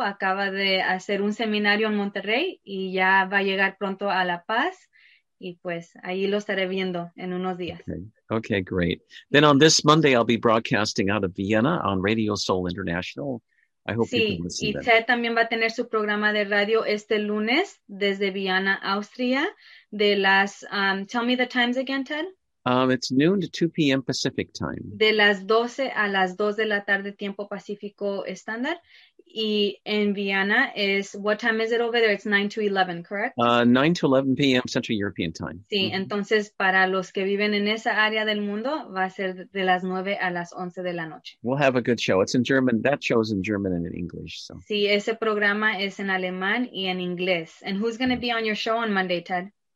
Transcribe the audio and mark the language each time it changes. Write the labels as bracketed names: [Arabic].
[Spanish] Acaba de hacer un seminario en Monterrey y ya va a llegar pronto a La Paz. Y pues ahí lo estaré viendo en unos días. [English] Okay, great. Then on this Monday, I'll be broadcasting out of Vienna on Radio Soul International. I hope you can listen. [Spanish] Sí, y Ted también va a tener su programa de radio este lunes desde Vienna, Austria. De las, [English] tell me the times again, Ted. It's noon to 2 p.m. Pacific time. [Spanish] De las 12 a las 2 de la tarde, tiempo pacífico estándar. Y en [English] Vienna is, what time is it over there? It's 9 to 11, correct? 9 to 11 p.m. Central European time. [Spanish] Sí, mm-hmm. Entonces para los que viven en esa área del mundo, va a ser de las 9 a las 11 de la noche. [English] We'll have a good show. It's in German. That show's in German and in English. So. [Spanish] Sí, ese programa es en alemán y en inglés. [English] And who's going to be on your show on Monday, Ted?